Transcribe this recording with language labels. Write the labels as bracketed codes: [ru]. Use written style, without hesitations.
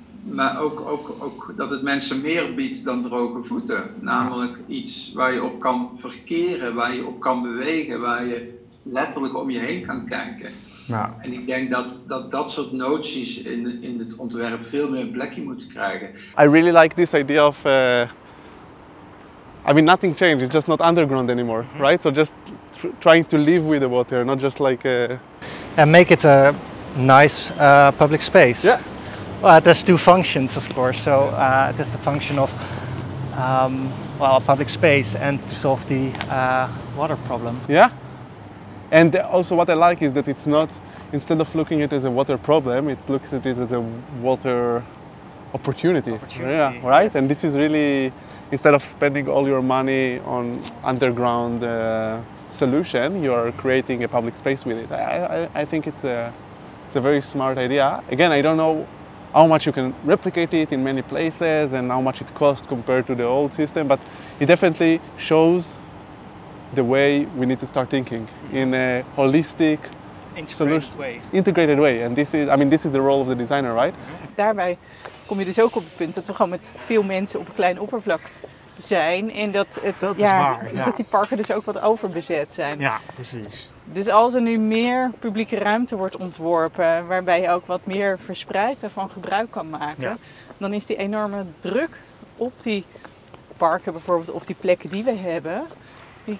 [nl] Maar ook dat het mensen meer biedt dan droge voeten. Namelijk iets waar je op kan verkeren, waar je op kan bewegen, waar je letterlijk om je heen kan kijken. Ja. En ik denk dat soort noties in het ontwerp veel meer een plekje moeten krijgen. [en] I really like this idea of, nothing changed, it's just not underground anymore, mm-hmm. Right? So just trying to live with the water, not just like... And make it a nice public space. Yeah. Well, it has two functions, of course. So it has the function of well, a public space and to solve the water problem. Yeah. And also what I like is that it's not, instead of looking at it as a water problem, it looks at it as a water opportunity. Opportunity. Yeah, right? Yes. And this is really, instead of spending all your money on underground solution, you're creating a public space with it. I think it's a very smart idea. Again, I don't know how much you can replicate it in many places and how much it costs compared to the old system, but it definitely shows the way we need to start thinking in a holistic, integrated way. And this is, I mean, this is the role of the designer, right? [nl] Daarbij kom je dus ook op het punt dat we gewoon met veel mensen op een klein oppervlak zijn en dat, het, dat, ja, is waar, ja. Dat die parken dus ook wat overbezet zijn. Ja, precies. Dus als er nu meer publieke ruimte wordt ontworpen waarbij je ook wat meer verspreid ervan gebruik kan maken, ja, dan is die enorme druk op die parken bijvoorbeeld of die plekken die we hebben, die